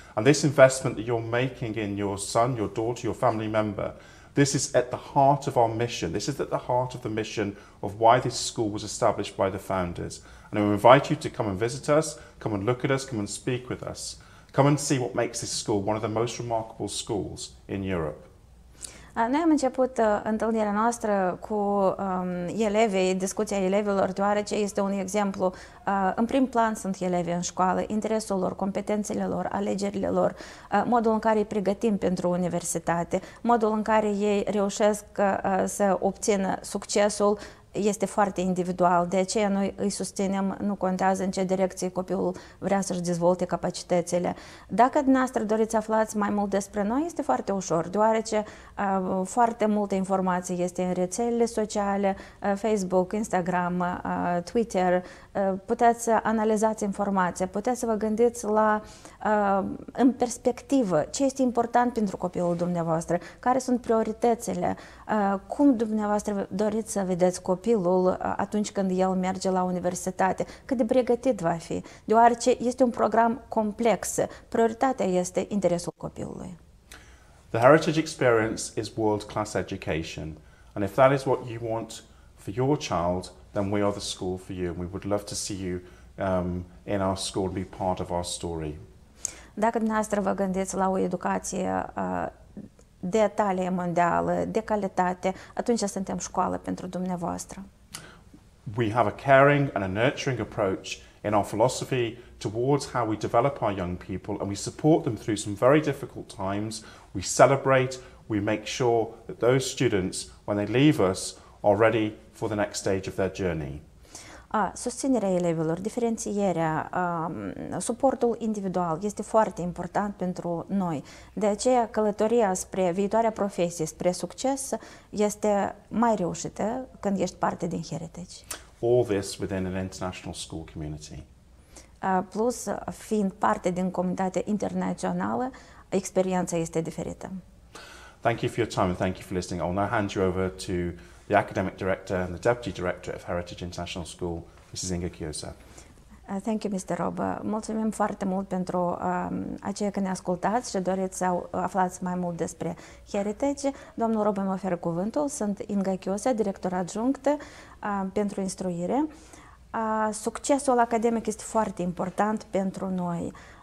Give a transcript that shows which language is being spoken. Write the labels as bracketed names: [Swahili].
[English] And this investment that you're making in your son, your daughter, your family member, this is at the heart of our mission. This is at the heart of the mission of why this school was established by the founders. And I invite you to come and visit us, come and look at us, come and speak with us. Come and see what makes this school one of the most remarkable schools in Europe. [Romanian] Noi am început întâlnirea noastră cu elevii, discuția elevilor, deoarece este un exemplu. În prim plan sunt elevii în școală, interesul lor, competențele lor, alegerile lor, modul în care îi pregătim pentru universitate, modul în care ei reușesc să obțină succesul este foarte individual. De aceea noi îi susținem, nu contează în ce direcție copilul vrea să-și dezvolte capacitățile. Dacă dumneavoastră doriți să aflați mai mult despre noi, este foarte ușor, deoarece foarte multă informație este în rețelele sociale, Facebook, Instagram, Twitter. Puteți să analizați informația, puteți să vă gândiți la în perspectivă ce este important pentru copilul dumneavoastră, care sunt prioritățile, cum dumneavoastră doriți să vedeți copilul atunci când el merge la universitate, cât de pregătit va fi, deoarece este un program complex. Prioritatea este interesul copilului. [English] The Heritage Experience is world-class education, and if that is what you want for your child, then we are the school for you, and we would love to see you in our school and be part of our story. [Romanian] Dacă dumneavoastră vă gândiți la o educație de talie mondială, de calitate, atunci suntem școală pentru dumneavoastră. [English] We have a caring and a nurturing approach in our philosophy towards how we develop our young people, and we support them through some very difficult times. We celebrate, we make sure that those students, when they leave us, are ready for the next stage of their journey. [Romanian] Susținerea elevilor, diferențierea, suportul individual este foarte important pentru noi. De aceea, călătoria spre viitoarea profesie, spre succes, este mai reușită când ești parte din Heritage. [English] All this within an international school community. [Romanian] Plus, fiind parte din comunitatea internațională, experiența este diferită. [English] Thank you for your time and thank you for listening. I'll now hand you over to the Academic Director and the Deputy Director of Heritage International School, Mrs. Inga Chiosa. Thank you, Mr. Robă. [Romanian] Mulțumim foarte mult pentru aceea că ne ascultați și doriți să aflați mai mult despre Heritage. Domnul Robă îmi oferă cuvântul. Sunt Inga Chiosa, director adjunct pentru instruire. Succesul academic este foarte important pentru noi.